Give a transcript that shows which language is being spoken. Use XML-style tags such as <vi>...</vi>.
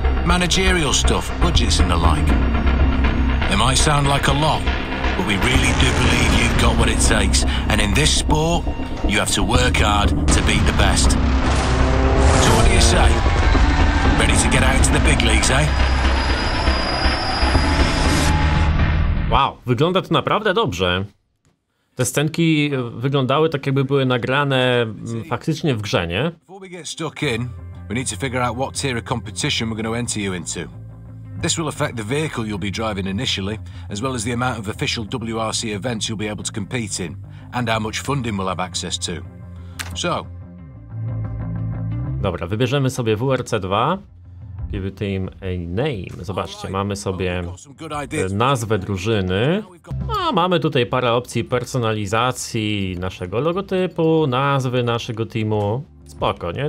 <en>Managerial stuff, budgets and the like. It might sound like a lot, but we really do believe you've got what it takes, and in this sport, you have to work hard to beat the best. So what do you say? Ready to get out to the big leagues, eh?</en> <pl>Wow, wygląda to naprawdę dobrze. Te scenki wyglądały tak, jakby były nagrane faktycznie w grze, nie?</pl> <en>Before we get stuck in, we need to figure out what tier of competition we're going to enter you into. This will affect the vehicle you'll be driving initially, as well as the amount of official WRC events you'll be able to compete in, and how much funding we'll have access to. So.</en> <pl>Dobra, wybierzemy sobie WRC2.</pl> <en>Give the team a name.</en> <pl>Zobaczcie, mamy sobie nazwę drużyny. A mamy tutaj parę opcji personalizacji naszego logotypu, nazwy naszego teamu. Spoko, nie?</pl>